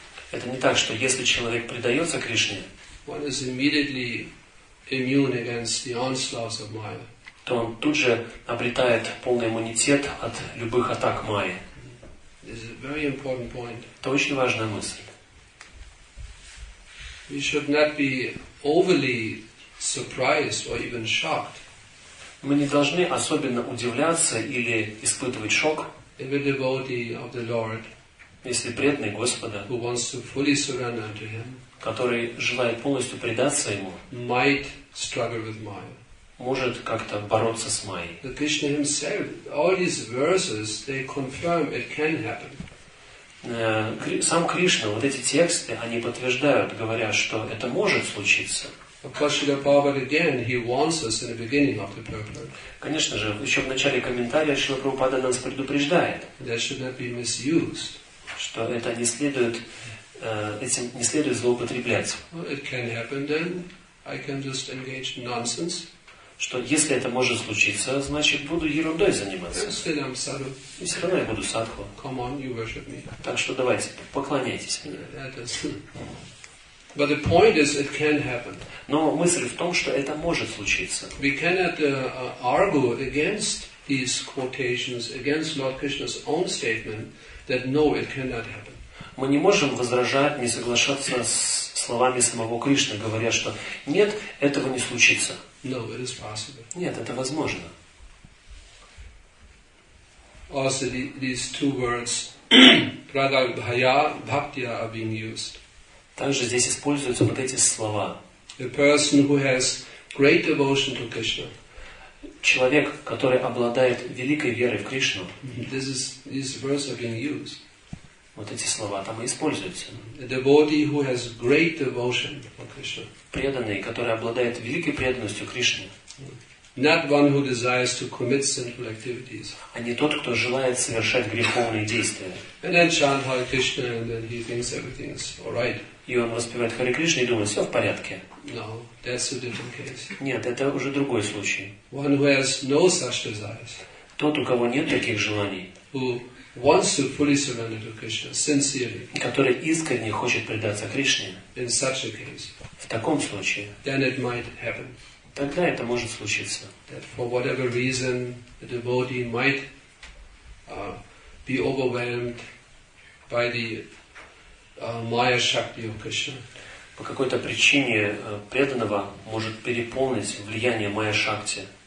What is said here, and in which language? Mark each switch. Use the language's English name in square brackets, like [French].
[Russian] это не так, что если человек предается Кришне, [English] one is immediately immune against the onslaughts of Maya. [Russian] То он тут же обретает полный иммунитет от любых атак Майи. [English] This is a very important point. [Russian] Это очень важная мысль. [English] We should not be overly surprised or even shocked. [Russian] Мы не должны особенно удивляться или испытывать шок. [English] If a devotee of the Lord, [Russian] если преданный Господа, [English] who wants to fully surrender unto Him, [Russian] который желает полностью предаться Ему, [English] might struggle with Maya, [Russian] может как-то бороться с Майей. [English] The Krishna Himself, all these verses, they confirm it can happen. [Russian] Сам Кришна, вот эти тексты, они подтверждают, говоря, что это может случиться. [English] Of course, Srila Prabhupada again, he warns us in the beginning of the purport. [Russian] Конечно же, еще в начале комментария Шрила Прабхупада нас предупреждает. [English] That should not be misused. [Russian] Что это не следует, этим не следует злоупотреблять. [English] Well, it can happen then. I can just engage in nonsense. [Russian] Что если это может случиться, значит, буду ерундой заниматься. [English] And still I'm sadhu. [Russian] И все равно я буду садху. [English] Come on, you worship me. [Russian] Так что давайте, поклоняйтесь мне. [English] That is... But the point is, it can happen. [Russian] Но мысль в том, что это может случиться. [English] We cannot argue against these quotations, against Lord Krishna's own statement that no, it cannot happen. [Russian] Мы не можем возражать, не соглашаться с словами самого Кришны, говоря, что нет, этого не случится. [English] No, it is possible. [Russian] Нет, это возможно. [English] Also, these two words, prabhaya, bhaktiya, are being used. [Russian] Также здесь используются вот эти слова. [English] A person who has great devotion to Krishna. [Russian] Человек, который обладает великой верой в Кришну. [English] This is, these verses are being used. [Russian] Вот эти слова там и используются. [English] A devotee who has great devotion to Krishna. [Russian] Преданный, который обладает великой преданностью Кришне. [English] Not one who desires to commit sinful activities. [Russian] А не тот, кто желает совершать греховные действия. [English] And then chant Hare Krishna, and then he thinks everything is all right. [Russian] И он воспевает Харе Кришну и думает, все в порядке. [English] No, that's a different case. [Russian] Нет, это уже другой случай. [English] One who has no such desires. [Russian] Тот, у кого нет таких желаний. [English] Who wants to fully surrender to Krishna sincerely. [Russian] Который искренне хочет предаться Кришне. [English] In such a case. [Russian] В таком случае. [English] Then it might happen. [Russian] Тогда это может случиться. [English] That for whatever reason the devotee might be overwhelmed by the Maya Shakti of Krishna. [Russian] По какой-то причине преданного может переполнить влияние Maya Shakti.